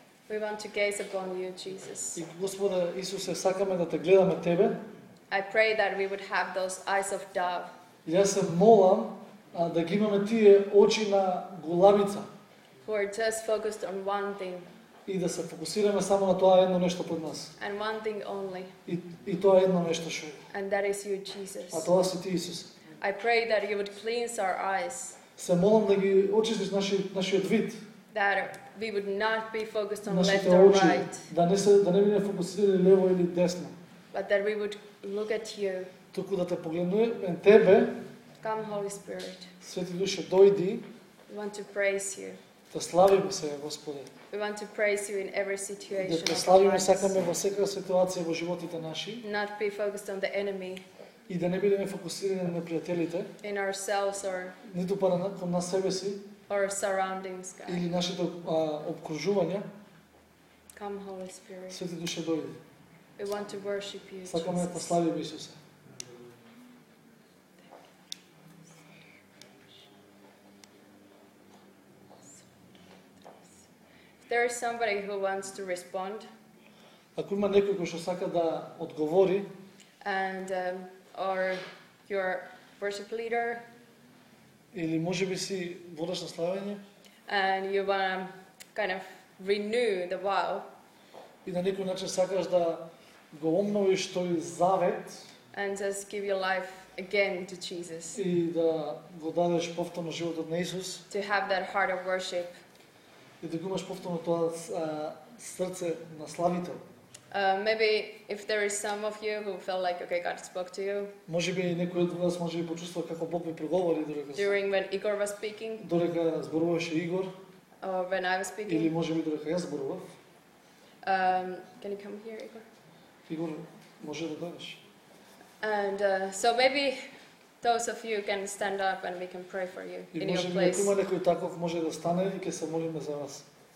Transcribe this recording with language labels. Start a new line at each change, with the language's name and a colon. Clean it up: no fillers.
English: We want to gaze upon you, Jesus.
Macedonian: И Господе Исусе, сакаме да те гледаме тебе.
English: I pray that we would have those eyes of dove.
Macedonian: И јас се молам да ги имаме тие очи на голавица.
English: Who are just focused on one thing.
Macedonian: И да се фокусираме само на тоа едно нешто под нас.
English: And one thing only.
Macedonian: И тоа едно нешто што.
English: And that is you, Jesus.
Macedonian: А тоа си ти, Исус.
English: I pray that you would cleanse our eyes.
Macedonian: Се молам да ги очистиш нашиот вид.
English: That we would not be focused on left or right.
Macedonian: Да не бидеме фокусирани лево или десно.
English: But that we would look at you.
Macedonian: Туку да те погледнуваме тебе.
English: Come Holy Spirit.
Macedonian: Свети Душо, дојди.
English: We want to praise you.
Macedonian: Да славиме се, Господе.
English: We want to praise you in every situation.
Macedonian: Да славиме сакаме во секоја ситуација во животите наши.
English: Not be focused on the enemy.
Macedonian: И да не бидеме фокусирани на пријателите.
English: In ourselves or.
Macedonian: Ниту па на себе си.
English: Or surroundings, God.
Macedonian: Или нашето обкружување.
English: Come Holy Spirit.
Macedonian: Свети Душо, дојди.
English: We want to worship you.
Macedonian: Сакаме да славиме Исуса.
English: There is somebody who wants to respond.
Macedonian: Ако има некој кој што сака да одговори.
English: And or your worship leader.
Macedonian: Или можеби си водач на славење.
English: And you want to kind of renew the vow.
Macedonian: И на некој начин сакаш да го обновиш тој завет.
English: And just give your life again to Jesus.
Macedonian: И да го дадеш повторно животот на Исус.
English: To have that heart of worship.
Macedonian: И да го имаш повторно тоа срце на славител.
English: Maybe if there is some of you who felt like okay God spoke to you.
Macedonian: Можеби некој од вас можеби почувствува како Бог ви проговори дорека.
English: During when Igor was speaking.
Macedonian: Дорека зборуваше Игор.
English: Or when I was speaking.
Macedonian: Или можеби дорека јас зборував.
English: Can you come here, Igor?
Macedonian: Игор, може да дојдеш.
English: And so maybe those of you can stand up and we can pray for you in your place.
Macedonian: Може некој таков може да стане и ќе се молиме за вас.